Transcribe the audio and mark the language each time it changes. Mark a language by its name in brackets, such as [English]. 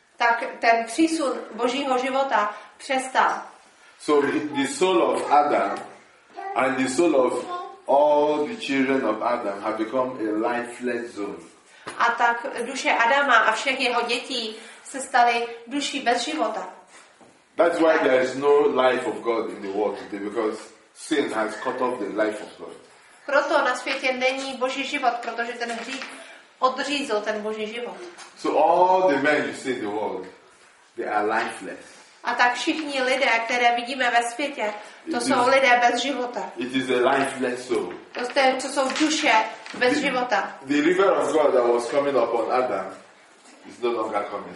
[Czech] Tak ten přísun Božího života přestal. [English] So the soul of Adam and the soul of all the children of Adam have become a lifeless zone. [Czech] A tak duše Adama a všech jeho dětí se staly duší bez života. [English] That's why there is no life of God in the world today, because sin has cut off the life of God. [Czech] Proto na světě není Boží život, protože ten hřích odřízl ten Boží život. [English] So all the men you see in the world, they are lifeless. [Czech] A tak všichni lidé, které vidíme ve světě, to jsou lidé bez života. [English] It is a lifeless soul. [Czech] To je, co jsou duše bez života. [English] The river of God that was coming upon Adam is no longer coming.